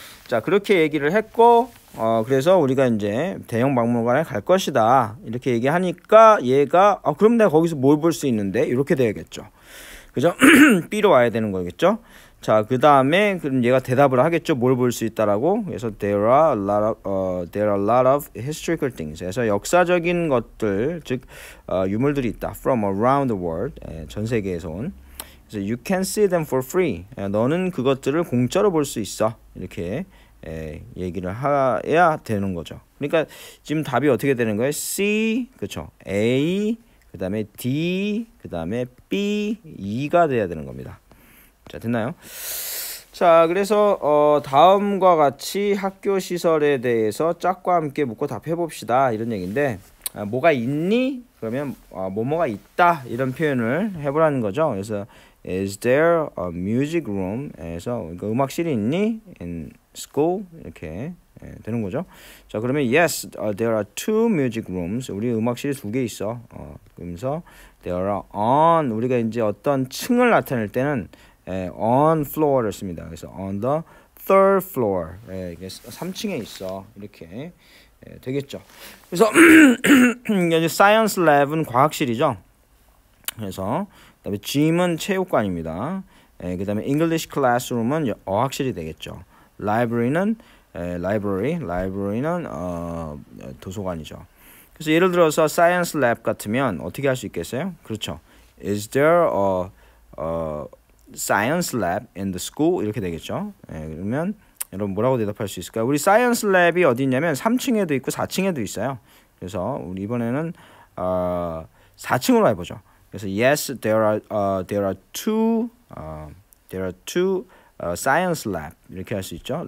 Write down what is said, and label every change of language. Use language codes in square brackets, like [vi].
[ko] 자, 그렇게 얘기를 했고 그래서 우리가 이제 대형 박물관에 갈 것이다 이렇게 얘기하니까 얘가 그럼 내가 거기서 뭘 볼 수 있는데 이렇게 돼야겠죠. 그죠? B로 와야 되는 거겠죠? 자, 그 다음에 그럼 얘가 대답을 하겠죠. 뭘 볼 수 있다라고. 그래서 [en] there are a lot of historical things. [ko] 그래서 역사적인 것들, 즉 유물들이 있다. [en] From around the world. [ko] 전 세계에서 온. 그래서 [en] you can see them for free. [ko] 너는 그것들을 공짜로 볼 수 있어. 이렇게 얘기를 해야 되는 거죠. 그러니까 지금 답이 어떻게 되는 거예요? C, 그렇죠. A, 그 다음에 D, 그 다음에 B, E가 돼야 되는 겁니다. 자, 됐나요? 자, 그래서 다음과 같이 학교 시설에 대해서 짝과 함께 묻고 답해봅시다 이런 얘기인데 뭐가 있니? 그러면 뭐뭐가 있다 이런 표현을 해보라는 거죠. 그래서 [en] Is there a music room? [ko] 에서 그러니까 음악실이 있니? [en] In school? [ko] 이렇게 되는 거죠. 자, 그러면 [en] Yes, there are two music rooms. [ko] 우리 음악실이 두 개 있어. 그러면서 [en] There are on [ko] 우리가 이제 어떤 층을 나타낼 때는 on floor를 씁니다. 그래서 [en] on the third floor. [ko] 이게 3층에 있어. 이렇게 되겠죠. 그래서 이제 science lab은 과학실이죠. 그래서 그다음에 gym은 체육관입니다. 그다음에 english classroom은 어학실이 되겠죠. library는 library는 도서관이죠. 그래서 예를 들어서 science lab 같으면 어떻게 할 수 있겠어요? 그렇죠. [en] is there a science lab in the school [ko] 이렇게 되겠죠. 예, 그러면 여러분 뭐라고 대답할 수 있을까요? 우리 science lab이 어디 있냐면 3층에도 있고 4층에도 있어요. 그래서 우리 이번에는 4층으로 해 보죠. 그래서 [en] yes there are two science lab [ko] 이렇게 할 수 있죠.